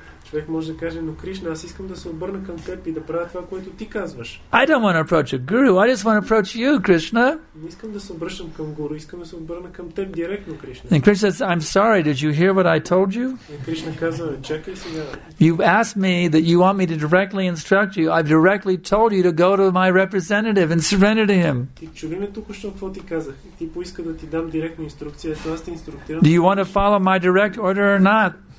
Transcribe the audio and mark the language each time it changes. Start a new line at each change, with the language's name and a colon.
Bulgarian: Човек може да каже, но Кришна, аз искам да се обърна към теб и да правя това, което ти казваш.
English: I don't want to approach a guru, I just want to approach you, Krishna.
Bulgarian: Не искам да се обръщам към гуру, искам да се обърна към теб директно, Кришна.
English: And Krishna says, I'm sorry, did you hear what I told you?
Bulgarian: Кришна казва, чакай сега.
English: You've asked me that you want me to directly instruct you. I've directly told you to go to my representative and surrender to him.
Bulgarian: Ти чуви ме тук, що какво ти казах. Ти поиска да ти дам директна инструкция, ето аз те инструктирам.
English: Do you want to follow my direct order or not?